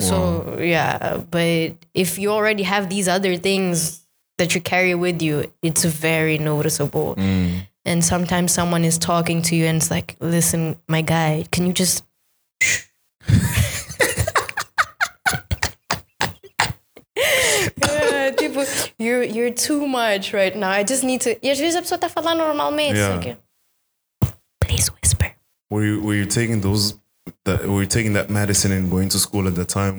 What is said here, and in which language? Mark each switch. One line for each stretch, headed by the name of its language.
English: So yeah, but if you already have these other things that you carry with you, it's very noticeable. Mm. And sometimes someone is talking to you and it's like, listen, my guy, can you just tipo, you're too much right now. I just need to,
Portuguese: e às vezes a pessoa tá falando normalmente.
English: Yeah. Like, please whisper. Were you taking those that medicine and going to school at the time?